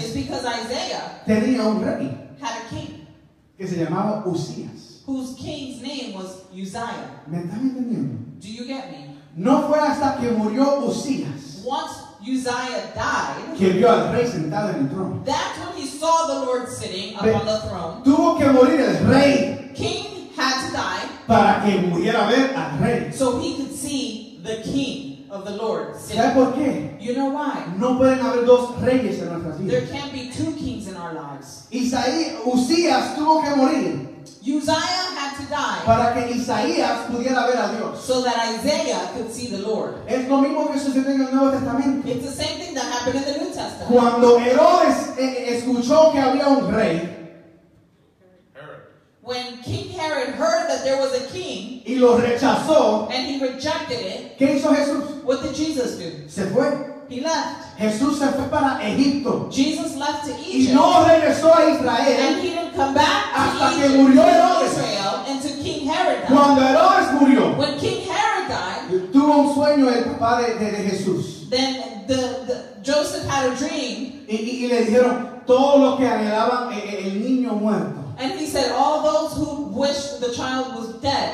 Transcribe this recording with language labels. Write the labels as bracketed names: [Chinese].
[English] Is because Isaiah. [Spanish] Tenía un rey. [English] Had a king. [Spanish] Que se llamaba Uzías. [English] Whose king's name was Uzziah. [Spanish] ¿Me están entendiendo? [English] Do you get me? [Spanish] No fue hasta que murió Uzías. [English] Once Uzziah died. [Spanish] Que vio al rey sentado en el trono. [English] That's when he saw the Lord sitting upon the throne. [Spanish] Tuvo que morir el rey. [English] King had to die. [Spanish] Para que pudiera ver al rey. [English] So he could see the king of the Lord sitting. [Spanish] ¿Sabes por qué? [English] You know why? [Spanish] No pueden haber dos reyes en nuestras vidas. [English] There can't be two kings in our lives. [Spanish] Uzías tuvo que morir. [English] Uzziah had to die. [Spanish] Para que Isaías pudiera ver a Dios. [English] So that Isaiah could see the Lord. [Spanish] Es lo mismo que sucedió en el Nuevo Testamento. [English] It's the same thing that happened in the New Testament. [Spanish] Cuando Herodes escuchó que había un rey. [English] When King Herod heard that there was a king. [Spanish] Y lo rechazó. [English] And he rejected it. [Spanish] ¿Qué hizo Jesús? [English] What did Jesus do? [Spanish] Se fue. [English] He left. [Spanish] Jesús se fue para Egipto. [English] Jesus left to Egypt. [Spanish] Y no regresó a Israel. [English] And he didn't come back to [Spanish] hasta [English] Egypt, [Spanish] que murió Herodes. [English] And to King Herod died. [Spanish] Cuando Herodes murió. [English] When King Herod died. [Spanish] Tuvo un sueño el papá de Jesús. [English] Then the Joseph had a dream. [Spanish] Y le dijeron todo lo que anhelaban el niño muerto. [English] And he said all those who wished the child was dead.